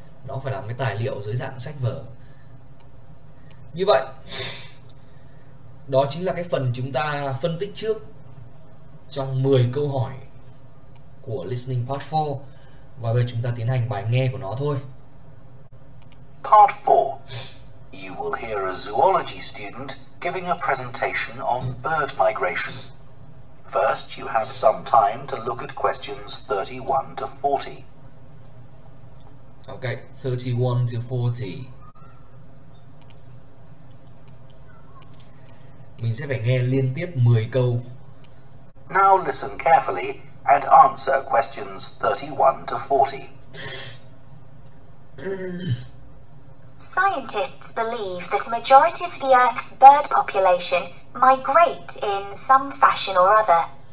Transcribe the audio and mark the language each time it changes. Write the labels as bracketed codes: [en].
[vi] Nó phải làm cái tài liệu dưới dạng sách vở. Như vậy đó chính là cái phần chúng ta phân tích trước trong 10 câu hỏi của Listening Part 4. Và bây giờ chúng ta tiến hành bài nghe của nó thôi. [en] Part 4. You will hear a zoology student giving a presentation on bird migration. First, you have some time to look at questions 31 to 40. Ok, 31 to 40. [vi] Mình sẽ phải nghe liên tiếp 10 câu. [en] Now listen carefully and answer questions 31 to 40. Scientists believe that a majority of the Earth's bird population migrate in some fashion or other.